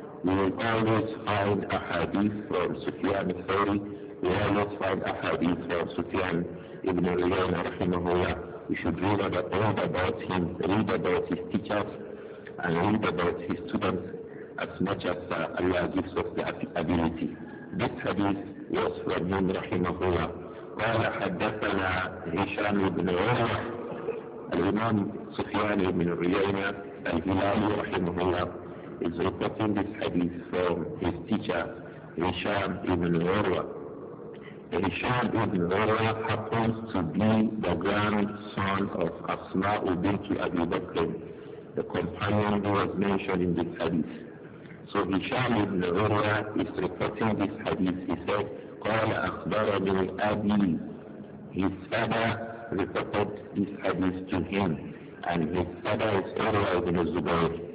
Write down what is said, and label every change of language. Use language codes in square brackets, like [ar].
[en] We will always find a hadith from Sufyan al-Thawri, we will always find a hadith from Sufyan ibn Uyayna, rahimahullah. We should read about all about him, read about his teachers, and read about his students as much as Allah gives us the ability. This hadith was from him, rahimahullah. [ar] قال حدثنا هشام بن عمر الإمام سفيان بن عيينة الهلالي رحمه الله [en] is reporting this hadith from his teacher [ar] هشام بن عمر. [en] هشام بن عمر happens to be the grandson of أسماء بنت أبي بكر, the companion who was mentioned in this hadith. So هشام بن عمر is reporting this hadith. He said, [ar] قال أخبرني أبي, [en] his father reported this hadith to him, and his father is Urwa ibn Zubair.